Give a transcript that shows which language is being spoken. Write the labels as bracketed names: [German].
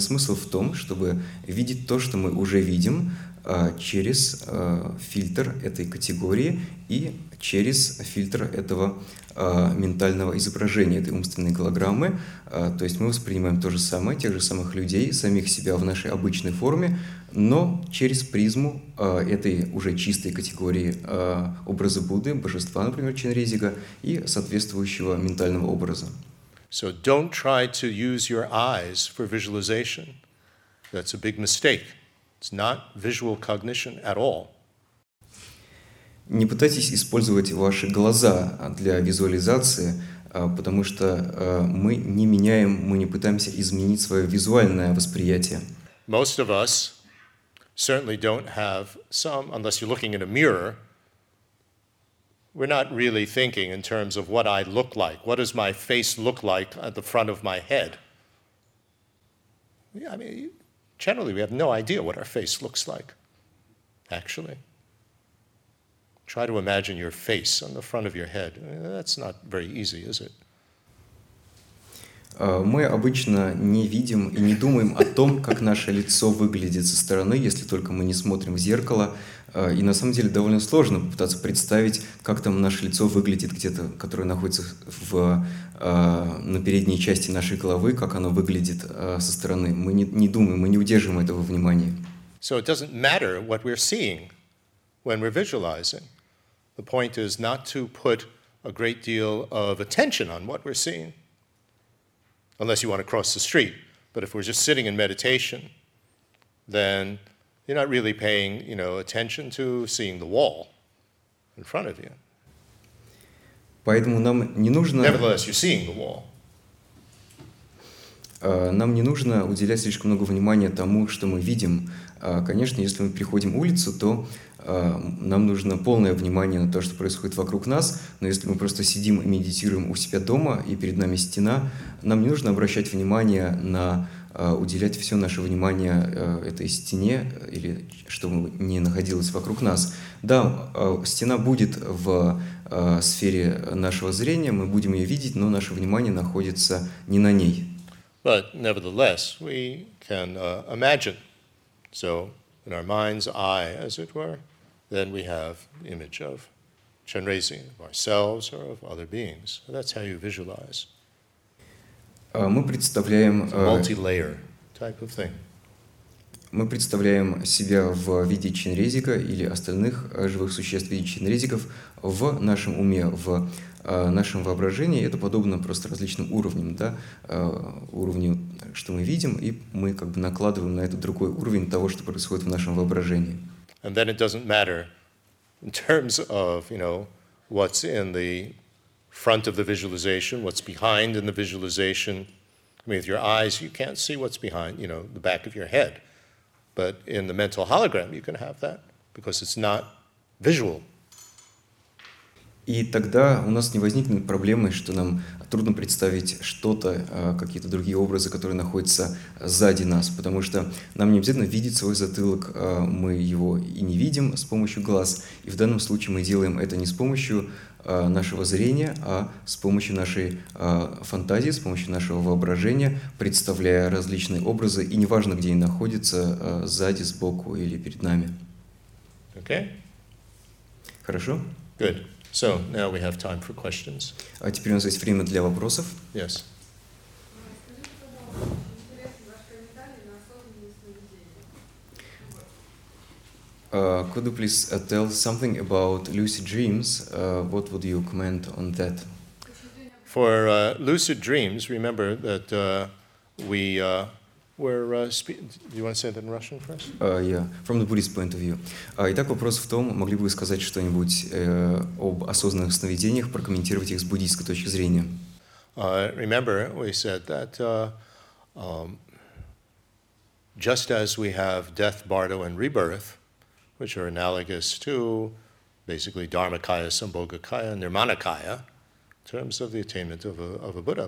[Russian] Смысл в том, чтобы видеть то, что мы уже видим, через фильтр этой категории и через фильтр этого ментального изображения, этой умственной голограммы. То есть мы воспринимаем то же самое, тех же самых людей, самих себя в нашей обычной форме, но через призму этой уже чистой категории образа Будды, божества, например, Чинрезига, и соответствующего ментального образа. [English] So don't try to use your eyes for visualization. That's a big mistake. It's not visual cognition at all. [Russian] Не пытайтесь использовать ваши глаза для визуализации, потому что мы не меняем, мы не пытаемся изменить свое визуальное восприятие. [English] Most of us certainly don't have some, unless you're looking in a mirror, we're not really thinking in terms of what I look like. What does my face look like at the front of my head? I mean, generally, we have no idea what our face looks like, actually. Try to imagine your face on the front of your head. That's not very easy, is it? [Russian] Мы обычно не видим и не думаем о том, как наше лицо выглядит со стороны, если только мы не смотрим в зеркало. И на самом деле довольно сложно попытаться представить, как там наше лицо выглядит где-то, которое находится на передней части нашей головы, как оно выглядит со стороны. Мы не думаем, мы не удерживаем этого внимания. [English] So it doesn't matter what we're seeing when we're visualizing. The point is not to put a great deal of attention on what we're seeing. Unless you want to cross the street, but if we're just sitting in meditation, then you're not really paying, you know, attention to seeing the wall in front of you. [Russian] Поэтому нам не нужно. [English] Nevertheless, you're seeing the wall. [Russian] Нам не нужно уделять слишком много внимания тому, что мы видим. Конечно, если мы переходим улицу, то нам нужно полное внимание на то, что происходит вокруг нас, но если мы просто сидим и медитируем у себя дома, и перед нами стена, нам не нужно обращать внимание на уделять все наше внимание этой стене, или чтобы не находилось вокруг нас. Да, стена будет в сфере нашего зрения, мы будем ее видеть, но наше внимание находится не на ней. [English] But nevertheless, we can imagine. So, in our mind's eye, as it were, then we have the image of Chenrezig, of ourselves or of other beings. So that's how you visualize. [Russian] Мы представляем, [English] it's a multi-layer type of thing. [Russian] Мы представляем себя в виде Чинрезига или остальных живых существ в виде Чинрезигов в нашем уме, в нашем воображении. Это подобно просто различным уровням, да, уровню, что мы видим, и мы как бы накладываем на это другой уровень того, что происходит в нашем воображении. [English] And then it doesn't matter in terms of, you know, what's in the front of the visualization, what's behind in the visualization. I mean, with your eyes, you can't see what's behind, you know, the back of your head. But in the mental hologram, you can have that, because it's not visual. [Russian] И тогда у нас не возникнет проблемы, что нам трудно представить что-то, какие-то другие образы, которые находятся сзади нас, потому что нам не обязательно видеть свой затылок, мы его и не видим с помощью глаз, и в данном случае мы делаем это не с помощью нашего зрения, а с помощью нашей фантазии, с помощью нашего воображения, представляя различные образы, и неважно, где они находятся, сзади, сбоку или перед нами. [English] Okay. [Russian] Хорошо? [English] Good. So now we have time for questions. [Russian] А теперь у нас есть время для вопросов. [English] Yes. Could you please tell something about lucid dreams? What would you comment on that? For lucid dreams, remember that we were... do you want to say that in Russian first? Yeah, from the Buddhist point of view. [Russian] Итак, вопрос в том, могли бы вы сказать что-нибудь об осознанных сновидениях, прокомментировать их с буддийской точки зрения? [English] Remember, we said that just as we have death, bardo, and rebirth, which are analogous to basically dharmakaya, sambhogakaya, and nirmanakaya, in terms of the attainment of a Buddha.